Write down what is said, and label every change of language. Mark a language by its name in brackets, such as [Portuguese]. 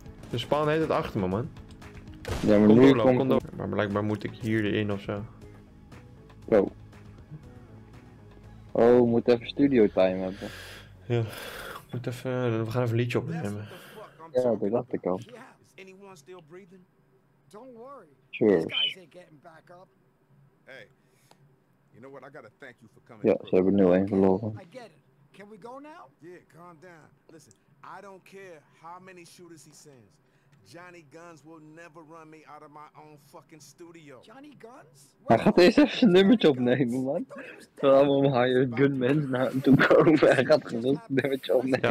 [Dutch] Ze spawnen heet het achter me, man. Ja, maar kom nu doorloop, komt... Kom door. Maar blijkbaar moet ik hier erin ofzo. Oh. Oh, we moeten even studio time hebben. Ja. We gaan even een liedje opnemen. Ja, dat dacht ik al. [English] Is anyone still breathing? Don't worry. Cheers. Hey. You know what? I gotta thank you for coming. Yeah, so we're new and verloren. I get it. Can we go now? Yeah, calm down. Listen, I don't care how many shooters he sends. Johnny Guns will never run me out of my own fucking studio. Johnny Guns? [Dutch] Hij gaat eerst even zijn nummertje opnemen, man. Terwijl we om [English] hired gunmen [Dutch] naartoe komen. Hij gaat gewoon zijn nummertje opnemen.